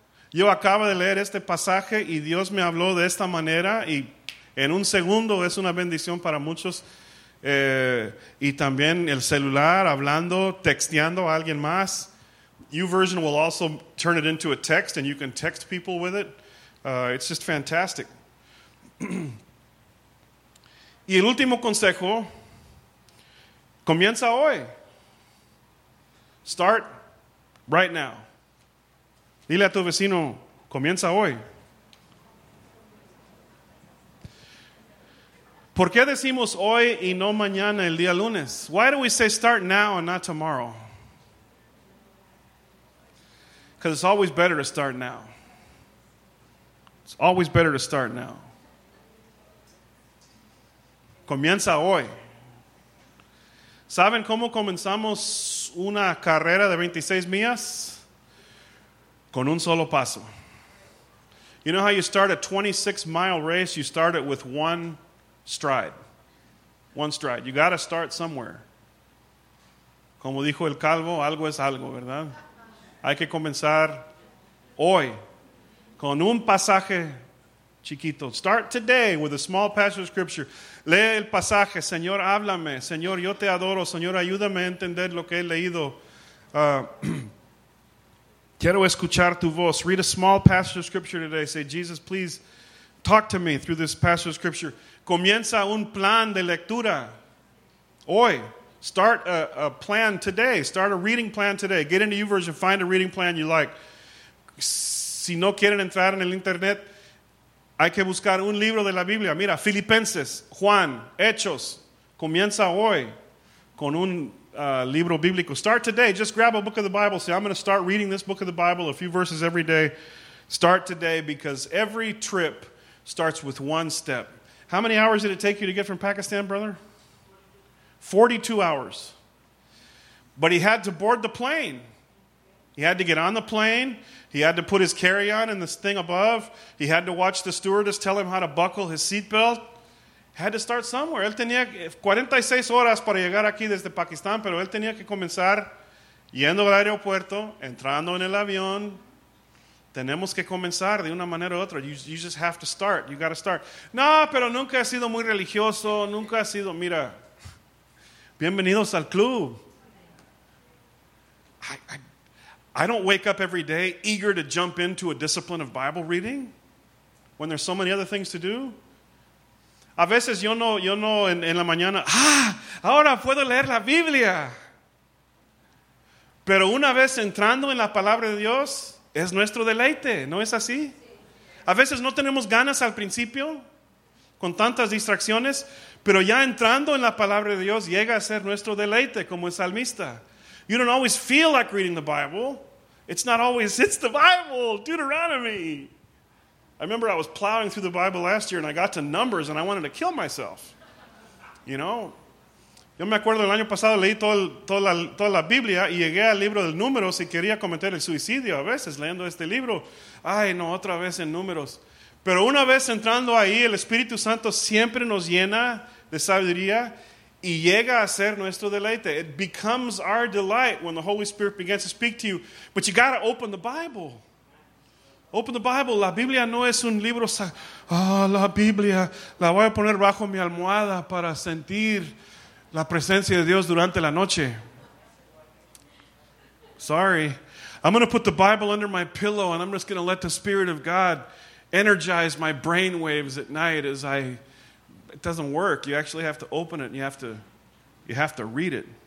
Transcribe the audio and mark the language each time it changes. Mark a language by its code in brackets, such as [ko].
[es] Yo acabo de leer este pasaje y Dios me habló de esta manera y en un segundo es una bendición para muchos. Y también el celular, hablando, texteando a alguien más. [en] YouVersion will also turn it into a text and you can text people with it. It's just fantastic. [es] Y el último consejo, comienza hoy. [en] Start right now. [es] Dile a tu vecino, comienza hoy. ¿Por qué decimos hoy y no mañana el día lunes? [en] Why do we say start now and not tomorrow? Because it's always better to start now. It's always better to start now. [es] Comienza hoy. ¿Saben cómo comenzamos una carrera de 26 millas? Con un solo paso. [en] You know how you start a 26-mile race? You start it with one stride. One stride. You got to start somewhere. [es] Como dijo el calvo, algo es algo, ¿verdad? Hay que comenzar hoy con un pasaje chiquito. [en] Start today with a small passage of scripture. [es] Lee el pasaje. Señor, háblame. Señor, yo te adoro. Señor, ayúdame a entender lo que he leído. Quiero escuchar tu voz. [en] Read a small passage of scripture today. Say, Jesus, please talk to me through this passage of scripture. [es] Comienza un plan de lectura. Hoy. [en] Start a plan today. Start a reading plan today. Get into YouVersion. Find a reading plan you like. [es] Si no quieren entrar en el internet, hay que buscar un libro de la Biblia. Mira, Filipenses, Juan, Hechos. Comienza hoy con un libro bíblico. [en] Start today. Just grab a book of the Bible. Say, I'm going to start reading this book of the Bible, a few verses every day. Start today, because every trip starts with one step. How many hours did it take you to get from Pakistan, brother? 42 hours. But he had to board the plane. He had to get on the plane. He had to put his carry-on in this thing above. He had to watch the stewardess tell him how to buckle his seatbelt. Had to start somewhere. [es] Él tenía 46 horas para llegar aquí desde Pakistán, pero él tenía que comenzar yendo al aeropuerto, entrando en el avión. Tenemos que comenzar de una manera u otra. [en] You just have to start. You got to start. [es] No, pero nunca he sido muy religioso. Nunca he sido, mira, bienvenidos al club. [en] I don't wake up every day eager to jump into a discipline of Bible reading when there's so many other things to do. [es] A veces yo no en la mañana, ahora puedo leer la Biblia. Pero una vez entrando en la palabra de Dios, es nuestro deleite, ¿no es así? A veces no tenemos ganas al principio, con tantas distracciones, pero ya entrando en la palabra de Dios llega a ser nuestro deleite como el salmista. [en] You don't always feel like reading the Bible. It's not always, it's the Bible, Deuteronomy. I remember I was plowing through the Bible last year and I got to Numbers and I wanted to kill myself. You know? [es] Yo me acuerdo el año pasado leí toda la Biblia y llegué al libro de Números y quería cometer el suicidio a veces leyendo este libro. Ay, no, otra vez en Números. Pero una vez entrando ahí, el Espíritu Santo siempre nos llena de sabiduría y llega a ser nuestro deleite. [en] It becomes our delight when the Holy Spirit begins to speak to you. But you got to open the Bible. Open the Bible. [es] La Biblia no es un libro sagrado. Oh, la Biblia. La voy a poner bajo mi almohada para sentir la presencia de Dios durante la noche. [en] Sorry. I'm going to put the Bible under my pillow and I'm just going to let the Spirit of God energize my brain waves at night as I... It doesn't work. You actually have to open it and you have to read it.